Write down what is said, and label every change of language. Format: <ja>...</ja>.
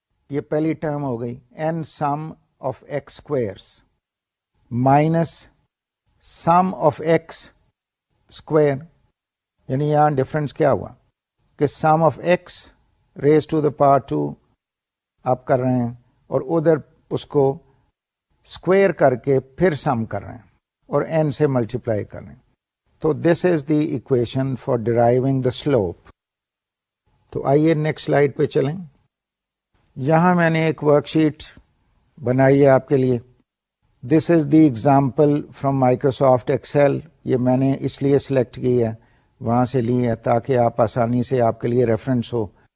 <ur>یہ پہلی ٹرم ہو گئی</ur> <en>n sum of x squares minus sum of x square,</en> <ur>یعنی یہاں ڈفرینس کیا ہوا کہ</ur> <en>sum of x raise to the power two</en> <ur>آپ کر رہے ہیں اور ادھر اس کو اسکویئر کر کے پھر سم کر رہے ہیں اور این سے ملٹیپلائی کر رہے ہیں.</ur> <en>تو this is the equation for driving the slope.</en> <ur>تو آئیے نیکسٹ سلائڈ پہ چلیں. یہاں میں نے ایک ورک شیٹ بنائی ہے آپ کے لیے.</ur> <en>This is the example from Microsoft Excel.</en> <ur>یہ میں نے اس لیے سلیکٹ کی ہے, وہاں سے لی ہے تاکہ آپ آسانی سے آپ کے لیے ریفرنس ہو.</ur>